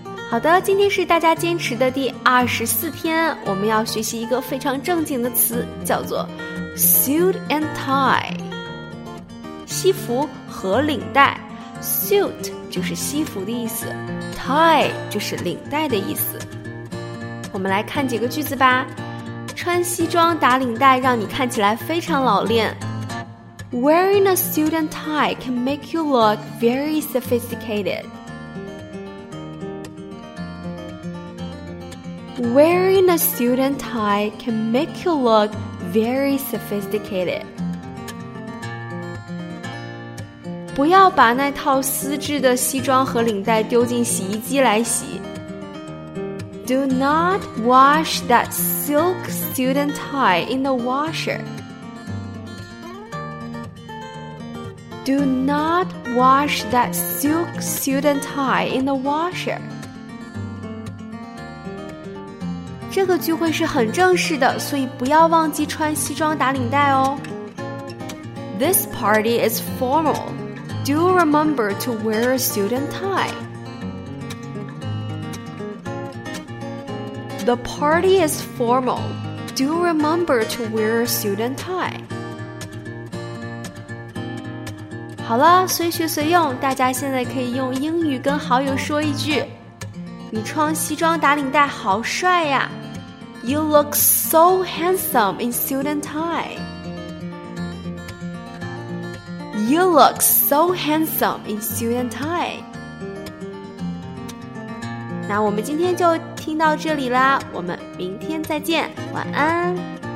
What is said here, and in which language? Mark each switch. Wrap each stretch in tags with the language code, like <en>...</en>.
<zh>好的，今天是大家坚持的第24天，我们要学习一个非常正经的词，叫做 suit and tie， 西服和领带。 suit 就是西服的意思， tie 就是领带的意思。我们来看几个句子吧。穿西装打领带让你看起来非常老练。</zh> <en>Wearing a suit and tie can make you look very sophisticated。 Wearing a suit and tie can make you look very sophisticated.</en> <zh>不要把那套丝质的西装和领带丢进洗衣机来洗。</zh> <en>Do not wash that silk suit and tie in the washer. Do not wash that silk suit and tie in the washer.</en> <zh>这个聚会是很正式的，所以不要忘记穿西装打领带哦。</zh> <en>This party is formal. Do remember to wear a suit and tie. The party is formal. Do remember to wear a suit and tie.</en> <zh>好了，随学随用，大家现在可以用英语跟好友说一句：你穿西装打领带好帅呀。</zh> <en>You look so handsome in suit and tie. You look so handsome in suit and tie.</en> <zh>那我们今天就听到这里啦，我们明天再见，晚安。</zh>